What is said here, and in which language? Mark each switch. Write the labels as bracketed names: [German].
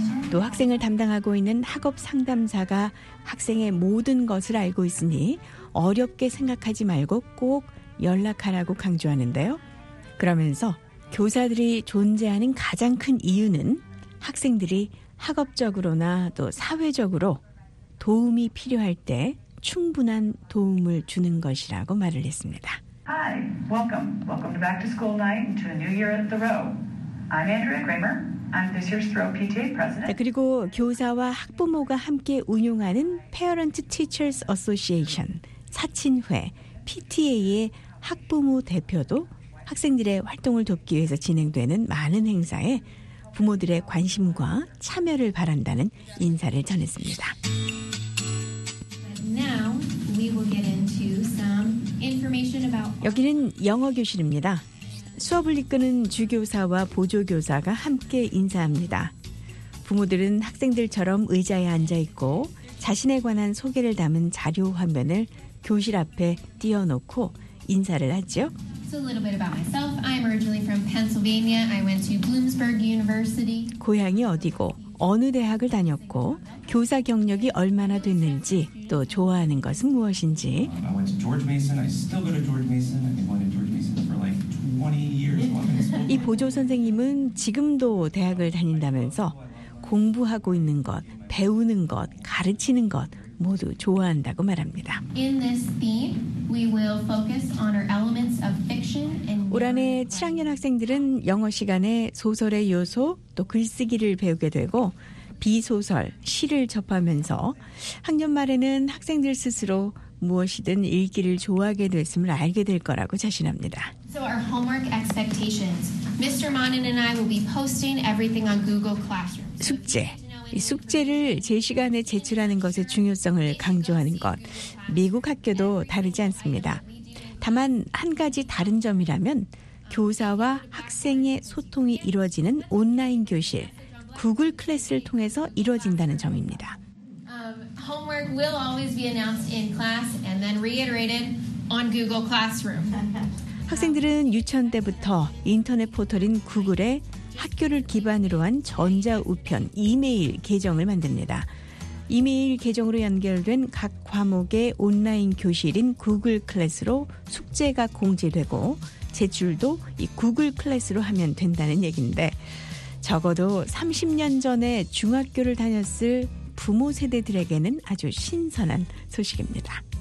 [Korean] 또 학생을 담당하고 있는 학업 상담사가 학생의 모든 것을 알고 있으니 어렵게 생각하지 말고 꼭 연락하라고 강조하는데요. 그러면서 교사들이 존재하는 가장 큰 이유는 학생들이 학업적으로나 또 사회적으로 도움이 필요할 때 충분한 도움을 주는 것이라고 말을 했습니다. [English] Hi, welcome. Welcome to Back to School Night and to a new year at the Row. I'm Andrea Kramer, [Korean] 자, 그리고 교사와 학부모가 함께 운영하는 Parent Teachers Association, 사친회, PTA의 학부모 대표도 학생들의 활동을 돕기 위해서 진행되는 많은 행사에 부모들의 관심과 참여를 바란다는 인사를 전했습니다. [English] Now we will get into some information about... [Korean] 여기는 영어 교실입니다. 수업을 이끄는 주교사와 보조교사가 함께 인사합니다. 부모들은 학생들처럼 의자에 앉아있고 자신에 관한 소개를 담은 자료 화면을 교실 앞에 띄워놓고 인사를 하죠. [English] So a little bit about myself. I'm originally from Pennsylvania. I went to Bloomsburg University. [Korean] 고향이 어디고 어느 대학을 다녔고 교사 경력이 얼마나 됐는지 또 좋아하는 것은 무엇인지. [English] I went to George Mason. I still go to George Mason. I've been going to George Mason for like 20 years. [Korean] 이 보조 선생님은 지금도 대학을 다닌다면서 공부하고 있는 것, 배우는 것, 가르치는 것 모두 좋아한다고 말합니다. [English] In this theme, we will focus on our elements of fiction and [Korean] 올 한 해 7학년 학생들은 영어 시간에 소설의 요소 또 글쓰기를 배우게 되고 비소설, 시를 접하면서 학년 말에는 학생들 스스로 무엇이든 읽기를 좋아하게 됐음을 알게 될 거라고 자신합니다. [English] So our homework expectations. Mr. Monin and I will be posting everything on Google Classroom. [Korean] 숙제. 이 숙제를 제시간에 제출하는 것의 중요성을 강조하는 것, 미국 학교도 다르지 않습니다. 다만 한 가지 다른 점이라면 교사와 학생의 소통이 이루어지는 온라인 교실, 구글 클래스를 통해서 이루어진다는 점입니다. [English] Homework will always be announced in class and then reiterated on Google Classroom. [Korean] 학생들은 유치원 때부터 인터넷 포털인 구글에 학교를 기반으로 한 전자우편, 이메일 계정을 만듭니다. 이메일 계정으로 연결된 각 과목의 온라인 교실인 구글 클래스로 숙제가 공지되고 제출도 이 구글 클래스로 하면 된다는 얘기인데 적어도 30년 전에 중학교를 다녔을 부모 세대들에게는 아주 신선한 소식입니다.